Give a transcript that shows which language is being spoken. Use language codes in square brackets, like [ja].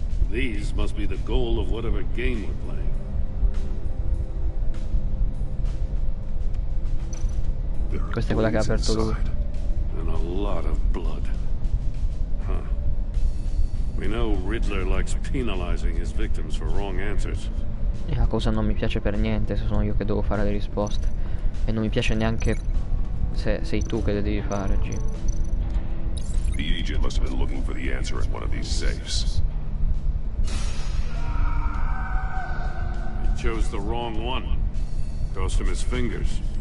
[en] These must be the goal of whatever game we're playing. [it] Questa è quella che ha aperto lui. [en] And a lot of blood. Huh. We know Riddler likes penalizing his victims for wrong answers. [it] E la cosa non mi piace per niente se sono io che devo fare le risposte. E non mi piace neanche se sei tu che le devi fare, G. [en] The agent must have been looking for the answer in one of these safes. He chose the wrong one. Cost him his fingers.